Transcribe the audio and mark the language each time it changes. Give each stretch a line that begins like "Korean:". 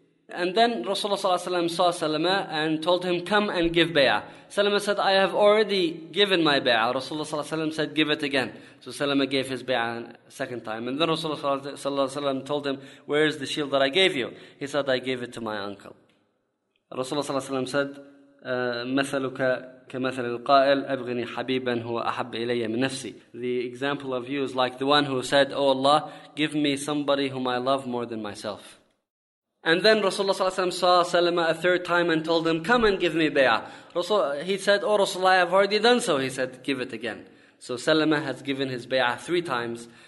English: And then Rasulullah ﷺ saw Salama and told him, come and give bay'ah. Salama said, I have already given my bay'ah. Rasulullah ﷺ said, give it again. So Salama gave his bay'ah a second time. And then Rasulullah ﷺ told him, where is the shield that I gave you? He said, I gave it to my uncle. Rasulullah ﷺ said,
Arabic: مَثَلُكَ كَمَثَلِ الْقَائِلِ أَبْغِنِي حَبِيبًا هُوَ أَحَبِّ إِلَيَّ مِنْ نَفْسِي.
English: The example of you is like the one who said, oh Allah, give me somebody whom I love more than myself. And then Rasulullah ﷺ saw Salama a third time and told him, come and give me bay'ah. He said, oh Rasulullah, I have already done so. He said, give it again. So Salama has given his bay'ah three times.